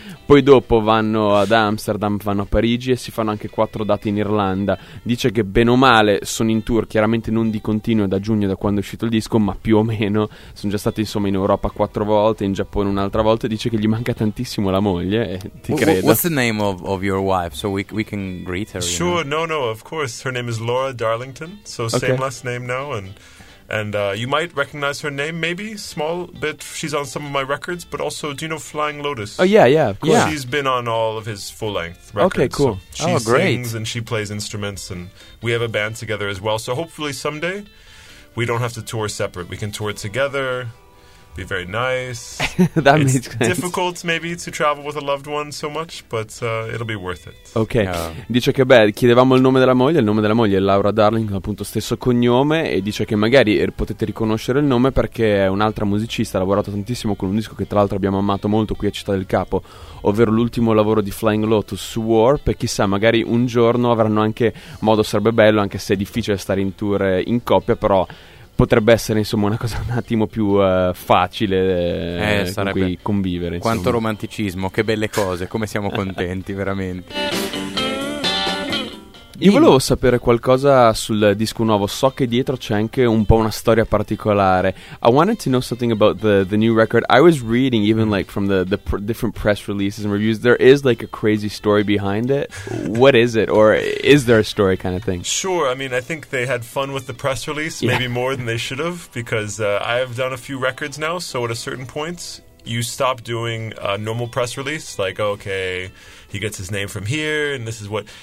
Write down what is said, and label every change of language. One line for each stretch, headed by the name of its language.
Italian: Poi dopo vanno ad Amsterdam, vanno a Parigi e si fanno anche quattro date in Irlanda. Dice che bene o male sono in tour, chiaramente non di continuo da giugno, da quando è uscito il disco, ma più o meno sono già stati insomma in Europa quattro volte, in Giappone un'altra volta. Dice che gli manca tantissimo la moglie, ti credo.
English: What's the name of your wife, so we can greet her? Sure, know? No, of course. Her name is Laura Darlington, so same last name now. And you might recognize her name, maybe, small bit. She's on some of my records, but also, do you know Flying Lotus? Oh, yeah. She's been on all of his full-length records. Okay, cool. So she sings and she plays instruments, and we have a band together as well. So hopefully someday we don't have to tour separate. We can tour together. be very nice. That it's makes sense. Difficult maybe to travel with a loved one so much, but it'll be worth it.
Italian: Ok, dice che beh, chiedevamo il nome della moglie è Laura Darling, appunto stesso cognome, e dice che magari potete riconoscere il nome perché è un'altra musicista, ha lavorato tantissimo con un disco che tra l'altro abbiamo amato molto qui a Città del Capo, ovvero l'ultimo lavoro di Flying Lotus, Warp, e chissà, magari un giorno avranno anche modo, sarebbe bello, anche se è difficile stare in tour in coppia, però potrebbe essere insomma una cosa un attimo più facile con cui convivere. Insomma. Quanto romanticismo, che belle cose, come siamo contenti veramente. Io volevo sapere qualcosa sul disco nuovo. So che dietro c'è anche un po' una storia particolare.
English: I wanted to know something about the new record. I was reading even like from the different press releases and reviews, there is like a crazy story behind it. What is it? Or is there a story kind of thing? Sure, I mean, I think they had fun with the press release, maybe more than they should have, because I've done a few records now, so at a certain point you stop doing a normal press release, like, okay, he gets his name from here, and this is what...